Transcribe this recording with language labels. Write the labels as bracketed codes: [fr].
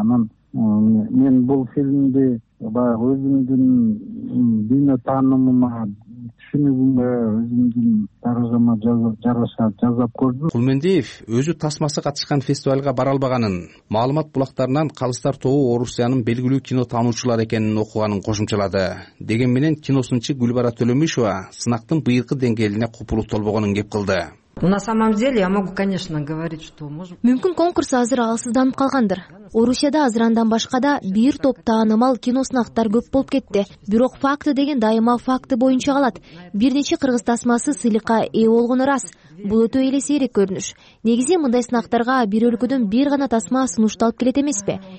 [ky] Анан мен бул фильмди баягы өзүмдүн дүйнө таанымыма, түшүнүгүмө, өзүмдүн даражама жараша жасап көрдүм. Кулмендеев өзү тасмасы катышкан фестивалга бара албаганын, маалымат булактарынан калыстар тобу Орусиянын белгилүү кино таануучулары экенин окуганын кошумчалады. Деген менен киносунчу Гүлбара Төлөмүшова сынактын быйыркы деңгээлине купуру толбогонун кеп кылды. [ru] На самом деле я могу, конечно, говорить, что может. [ky] Мүмкүн конкурс азыр алсызданып калгандыр. Орусияда азырандан башка да бир топ таанымал кино сынактар көп болуп кетти. Бирок факты деген дайыма факты боюнча калат. Бир нече кыргыз тасмасы сыйлыкка ээ болгону рас. Бул өтө эле сейрек көрүнүш. Негизи мындай сынактарга бир өлкөдөн бир гана тасма сунушталып келет эмеспи?